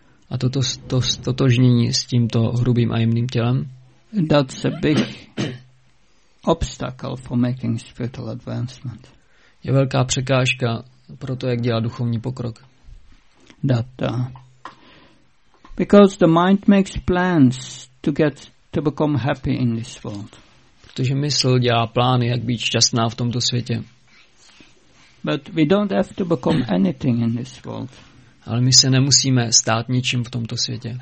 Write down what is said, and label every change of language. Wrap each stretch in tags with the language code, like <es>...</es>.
<cs>a toto stotožnění s tímto hrubým a jemným tělem,</cs> <en>that's a big obstacle for making spiritual advancement.</en> <cs>Je velká překážka pro to, jak dělat duchovní pokrok.</cs> <en>Because the mind makes plans to become happy in this world.</en> <cs>Protože mysl dělá plány, jak být šťastná v tomto světě.</cs> <en>But we don't have to become anything in this world.</en> <cs>Ale my se nemusíme stát ničím v tomto světě.</cs>